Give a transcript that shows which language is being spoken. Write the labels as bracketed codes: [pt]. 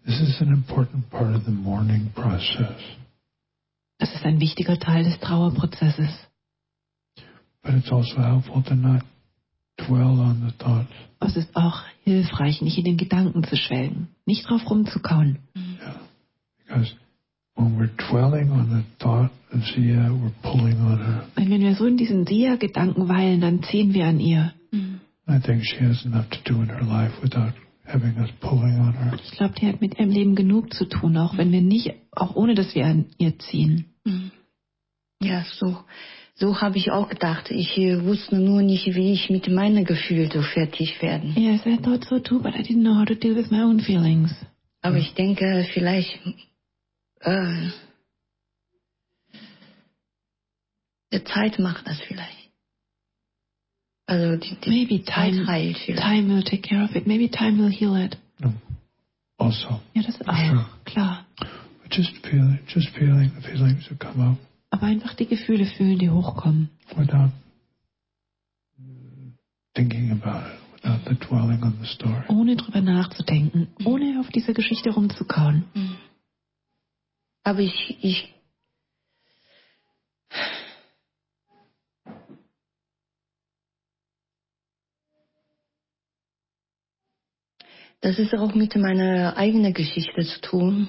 [en] This is an important part of the mourning process. [de] Das ist ein wichtiger Teil des Trauerprozesses. [en] But it's also helpful to not dwell on the thoughts. [de] Es ist auch hilfreich, nicht in den Gedanken zu schwelgen, nicht drauf rumzukauen. [en] Yeah. Because when we're dwelling on the thought of Sia, we're pulling on her. [de] Wenn wir so in diesen Sia-Gedanken weilen, dann ziehen wir an ihr. [en] I think she has enough to do in her life without having us pulling on her. [de] Ich glaube, die hat mit ihrem Leben genug zu tun, auch wenn wir nicht, auch ohne, dass wir an ihr ziehen. Ja, so habe ich auch gedacht. Ich wusste nur nicht, wie ich mit meinen Gefühlen so fertig werden. [en] Yes, I thought so too, but I didn't know how to deal with my own feelings. [de] Aber ich denke, vielleicht die Zeit macht das vielleicht. Also [en] maybe time [de] heilt. [en] Time will take care of it. Maybe time will heal it. [de] No. Also. [en] Yeah, that's all. Sure. [de] Klar. [en] But just feeling the feelings that come up. [de] Aber einfach die Gefühle fühlen, die hochkommen. [en] Without thinking about it, without the dwelling on the story. [de] Ohne drüber nachzudenken, ohne auf diese Geschichte rumzukauen. Aber ich das ist auch mit meiner eigenen Geschichte zu tun.